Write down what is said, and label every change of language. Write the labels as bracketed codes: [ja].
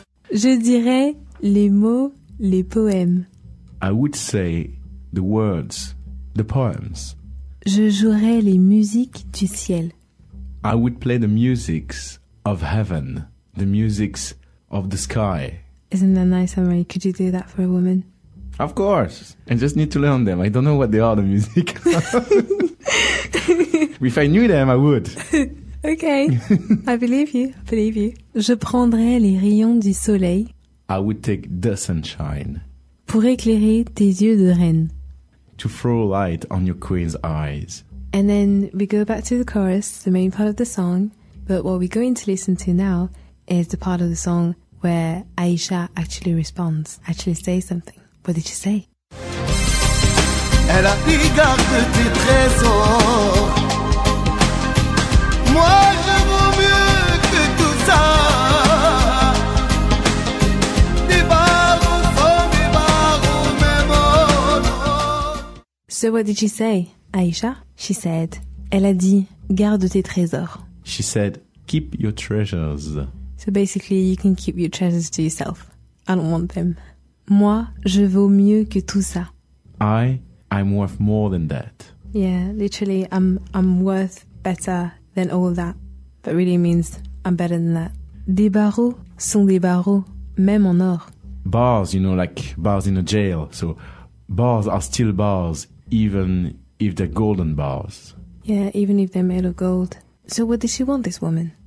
[fr] Je dirais les mots, les poèmes. [en] I would say the words, the poems. [fr] Je jouerais les musiques du ciel. [en] I would play the musics of heaven, the musics of the sky. Isn't that nice, Amory? Could you do that for a woman? Of course. I just need to learn them. I don't know what they are, the music. If I knew them, I would. Okay, I believe you, I believe you. [fr] Je prendrai les rayons du soleil. [en] I would take the sunshine. [fr] Pour éclairer tes yeux de reine. [en] To throw light on your queen's eyes. And then we go back to the chorus, the main part of the song. But what we're going to listen to now is the part of the song where Aïcha actually responds, actually says something. What did she say? [fr] Elle a regardé tes trésors. Moi, je vaux mieux que tout ça. Des barreaux sont des barreaux, même [en] So what did she say, Aïcha? She said, [fr] elle a dit, garde tes trésors. [en] She said, keep your treasures. So basically, you can keep your treasures to yourself. I don't want them. [fr] Moi, je vaux mieux que tout ça. [en] I'm worth more than that. Yeah, literally, I'm worth better than all of that, but really means I'm better than that. [fr] Des barreaux sont des barreaux, même en or. [en] Bars, you know, like bars in a jail. So bars are still bars, even if they're golden bars. Yeah, even if they're made of gold. So what does she want, this woman?